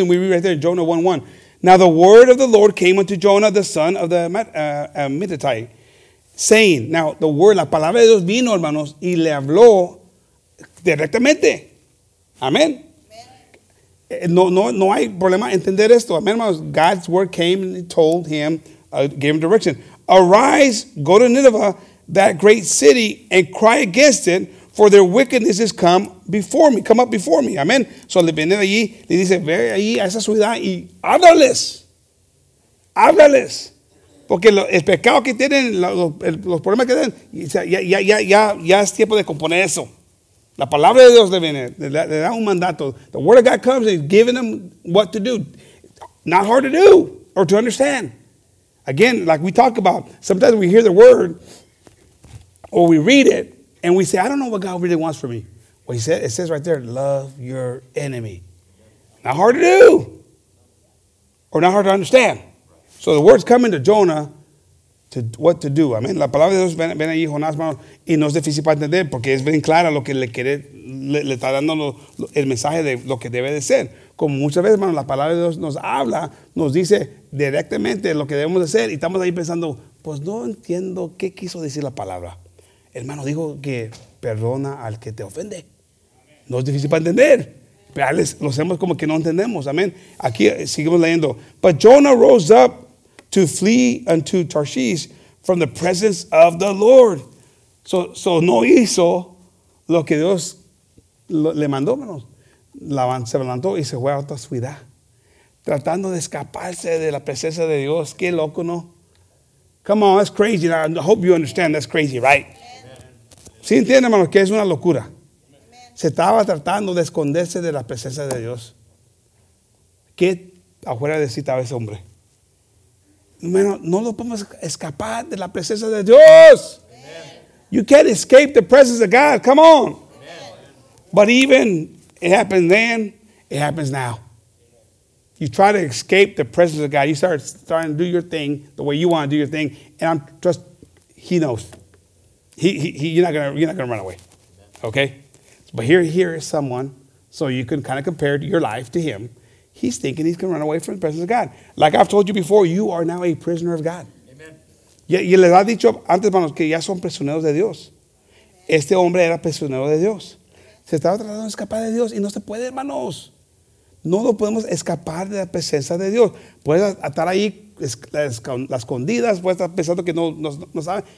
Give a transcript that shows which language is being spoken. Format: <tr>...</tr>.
<en>And we read right there in Jonah 1:1. Now the word of the Lord came unto Jonah, the son of the Amittai, saying, now the word,</en> <es>la palabra de Dios vino, hermanos, y le habló directamente.</es> <en>Amen.</en> <es>No hay problema entender esto. Amen, hermanos.</es> <en>God's word came and told him, gave him direction. Arise, go to Nineveh, that great city, and cry against it, for their wickedness has come before me. Come up before me. Amen.</en> <es>So le viene allí, le dice, ve allí a esa ciudad y háblales. Háblales. Porque el pecado que tienen, los problemas que tienen, ya es tiempo de componer eso. La palabra de Dios le viene, le da un mandato.</es> <en>The word of God comes and giving them what to do. Not hard to do or to understand. Again, like we talk about, sometimes we hear the word or we read it and we say, I don't know what God really wants for me. Well, it says right there, love your enemy. Not hard to do or not hard to understand. So the word's coming to Jonah to what to do. I mean,</en> <es>la palabra de Dios viene ahí, Jonás, y no es difícil para entender porque es bien clara lo que le está dando el mensaje de lo que debe de ser. Como muchas veces, hermano, la palabra de Dios nos habla, nos dice directamente lo que debemos hacer y estamos ahí pensando, pues no entiendo qué quiso decir la palabra. Hermano, dijo que perdona al que te ofende. No es difícil para entender. Pero lo hacemos como que no entendemos. Amén. Aquí seguimos leyendo.</es> <en>But Jonah rose up to flee unto Tarshish from the presence of the Lord.</en> <es>So no hizo lo que Dios le mandó. Se levantó y se fue a otra ciudad, tratando de escaparse de la presencia de Dios. Qué loco, ¿no?</es> <en>Come on, that's crazy. I hope you understand that's crazy, right? Amen.</en> <es>Sí, entiende, hermano, que es una locura.</es> <en>Amen.</en> <es>Se estaba tratando de esconderse de la presencia de Dios. ¿Qué afuera de sí estaba ese hombre? Bueno, no lo podemos escapar de la presencia de Dios.</es> <en>Amen. You can't escape the presence of God. Come on. Amen. But even it happened then, it happens now. You try to escape the presence of God. You start trying to do your thing the way you want to do your thing. And I'm just, he knows. You're not gonna run away. Okay? But here is someone, so you can kind of compare your life to him. He's thinking he's gonna run away from the presence of God. Like I've told you before, you are now a prisoner of God. Amen.</en> <es>Y les ha dicho antes, hermanos, que ya son prisioneros de Dios. Este hombre era prisionero de Dios. Se estaba tratando de escapar de Dios y no se puede, hermanos. No lo podemos escapar de la presencia de Dios. Puedes estar ahí las escondidas, puedes estar pensando que no sabe.</es>